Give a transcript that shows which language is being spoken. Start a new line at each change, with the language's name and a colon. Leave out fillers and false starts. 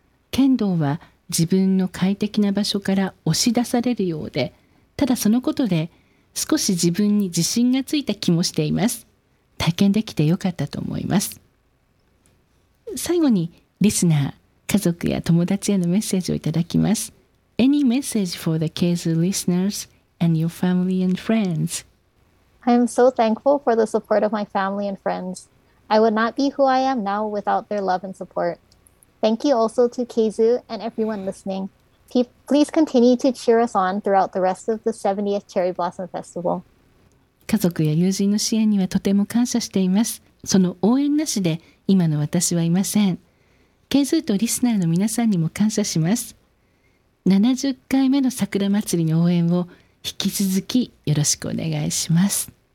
Japanese: 剣道は自分の快適な場所から押し出されるようで、ただそのことで少し自分に自信がついた気もしています。体験できてよかったと思います。最後にリスナー、家族や友達へのメッセージをいただきます。
English: Any message for the Keizu listeners and your family and friends? I am so thankful for the support of my family and friends. I would not be who I am now without their love and support. Thank you also to Keizu and everyone listening. Please continue to cheer us on throughout the rest of the 70th Cherry Blossom Festival.
Japanese: 家族や友人の支援にはとても感謝しています。その応援なしで今の私はいません。ケズーとリスナーの皆さんにも感謝します。70回目の桜祭りの応援を引き続きよろしくお願いします。